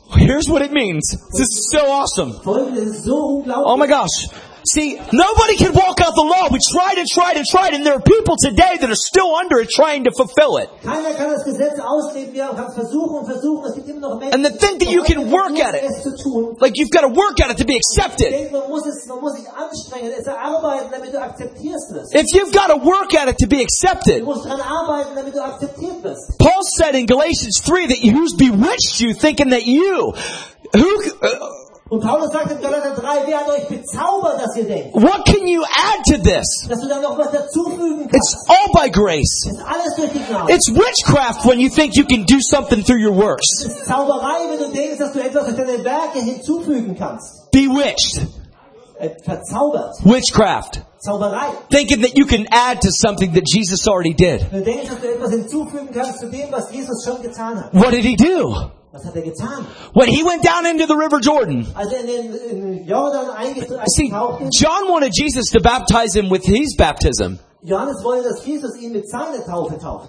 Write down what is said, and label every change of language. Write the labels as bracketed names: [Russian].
[English] Here's what it means. This is so awesome. [German] Folgendes ist so unglaublich. [English] Oh my gosh. See, nobody can walk out the law. We tried and tried and tried, and there are people today that are still under it trying to fulfill it. [German] Keiner kann das Gesetz ausleben. Wir haben versucht und versucht. Es gibt immer noch Menschen. [English] And they think that you can work at it. Like you've got to work at it to be accepted. [German] Man muss sich anstrengen, es erarbeiten, damit du akzeptierst wirst. [English] If you've got to work at it to be accepted. [German] Du musst dran arbeiten, damit du akzeptiert wirst. [English] Paul said in Galatians 3 that who's bewitched you thinking that you... who. [German] Und Paulus sagt in Galater 3, wer hat euch bezaubert, dass ihr denkt? [English] What can you add to this? [German] Dass du da noch was dazufügen kannst. [English] It's all by grace. [German] Ist alles durch die Gnade. [English] It's witchcraft when you think you can do something through your works. [German] Es ist Zauberei, wenn du denkst, dass du etwas durch deine Werke hinzufügen kannst. [English] Bewitched. [German] Verzaubert. [English] Witchcraft. [German] Zauberei. [English] Thinking that you can add to something that Jesus already did. [German] Du denkst, dass du etwas hinzufügen kannst zu dem, was Jesus schon getan hat. [English] What did he do? [German] Was hat er getan? [English] When he went down into the River Jordan, see, John wanted Jesus to baptize him with his baptism. [German] Johannes wollte, dass Jesus ihn mit seiner Taufe taufte.